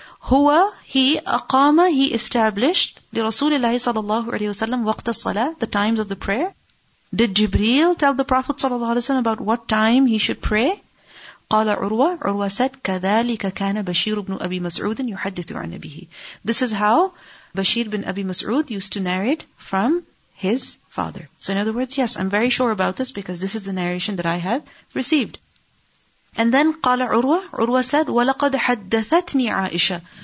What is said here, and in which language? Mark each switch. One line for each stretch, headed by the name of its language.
Arabic: هو, he أقام,
English: he established
Arabic: لرسول الله صلى الله عليه وسلم وقت الصلاة,
English: the times of the prayer. Did جبريل tell the Prophet
Arabic: صلى الله عليه وسلم
English: about what time he should pray?
Arabic: قال عروة, عروة said, كذلك كان بشير بن أبي مسعود يحدث عن أبيه.
English: This is how Bashir bin Abi Mas'ud used to narrate from his father. So in other words, yes, I'm very sure about this because this is the narration that I have received. And then
Arabic: قال عروة, عروة said, ولقد حدثتني عائشة.